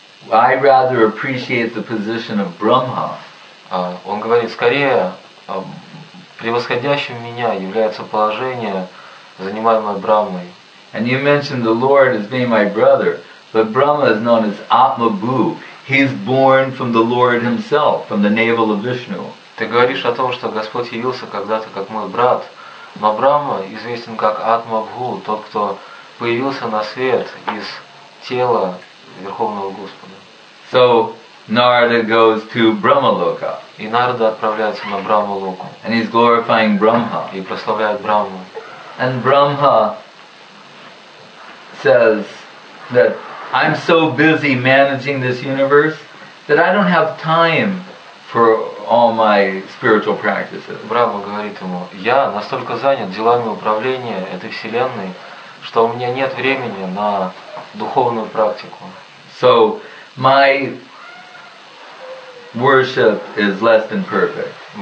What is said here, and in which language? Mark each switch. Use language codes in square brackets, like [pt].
[en] I rather appreciate the position of Brahma. [ru] Он говорит, скорее превосходящим меня является положение, занимаемое Брахмой. [en] And you mentioned the Lord as being my brother, but Brahma is known as Atmabhu. He's born from the Lord himself, from the navel of Vishnu. [ru] Ты говоришь о том, что Господь явился когда-то как мой брат, но Брахма известен как Атмабху, тот, кто появился на свет из тела Верховного Господа. [en] So Narada goes to Brahmaloka. [ru] И Нарада отправляется на Брахмалоку. [en] And he's glorifying Brahma. [ru] И прославляет Брахму. [en] And Brahma says that I'm so busy managing this universe that I don't have time for all my spiritual practices. [ru] Брахма говорит ему: "Я настолько занят делами управления этой вселенной, что у меня нет времени на духовную практику." [en] So my worship is less than perfect.